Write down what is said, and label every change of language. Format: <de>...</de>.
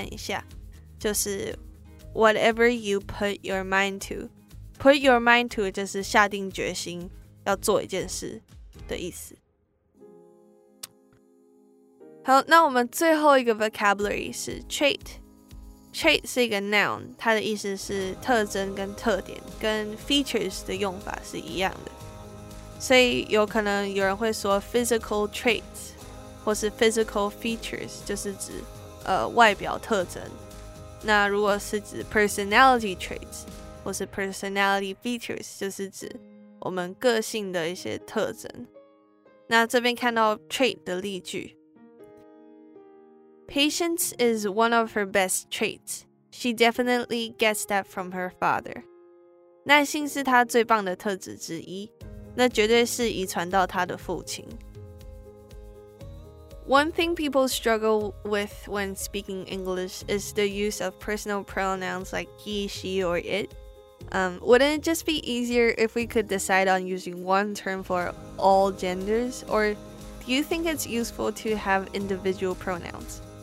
<zh>你不该让你的畏惧抑制你，你有能力达成任何你下定决心要完成的事。这边有个片语可以注意看一下，就是</zh> <en>whatever you put your mind to. Put your mind to</en> <zh>就是下定决心。要做一件事的意思。好，那我们最后一个 vocabulary 是 trait. Trait 是一个 noun， 它的意思是特征跟特点，跟 features 的用法是一样的。所以有可能有人会说 physical traits 或是 physical features， 就是指外表特征。那如果是指 personality traits 或是 personality features， 就是指 我们个性的一些特征。那这边看到 trait 的例句。</zh> <en>Patience is one of her best traits. She definitely gets that from her father.</en> <zh>耐心是她最棒的特质之一，那绝对是遗传到她的父亲。</zh> <en>One thing people struggle with when speaking English is the use of personal pronouns like he, she, or it. Wouldn't it just be easier if we could decide on using one term for all genders? Or do you think it's useful to have individual pronouns?</en>